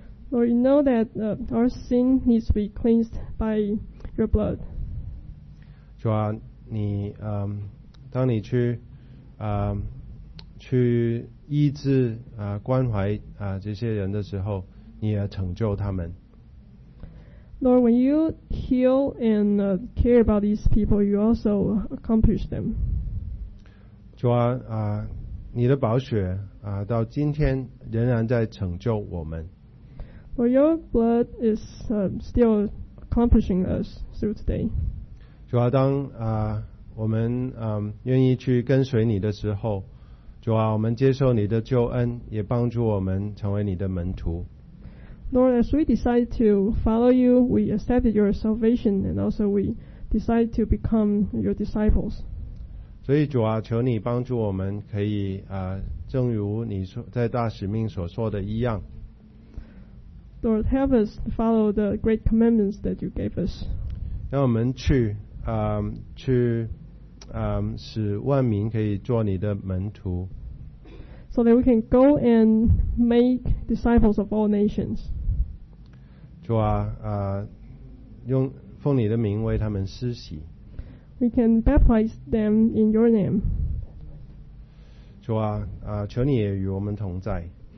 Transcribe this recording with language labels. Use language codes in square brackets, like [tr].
[en] Lord, you know that our sin needs to be cleansed by your blood. [zh] 主啊，你当你去去医治关怀这些人的时候，你也成就他们。 [en] Lord, when you heal and care about these people, you also accomplish them. [zh] 主啊，你的宝血到今天仍然在成就我们。 [en] For your blood is still accomplishing us through today. [zh] 主啊，当我们愿意去跟随你的时候，主啊，我们接受你的救恩，也帮助我们成为你的门徒。 [en] Lord, as we decide to follow you, we accepted your salvation, and also we decide to become your disciples. [zh] 所以主啊，求你帮助我们可以正如你说在大使命所说的一样。 [en] Lord, help us follow the great commandments that you gave us. [zh] 让我们去去使万民可以做你的门徒。 [en] So that we can go and make disciples of all nations. [zh] 主啊，用奉你的名为他们施洗。 [en] We can baptize them in your name. [zh] 主啊，求你也与我们同在。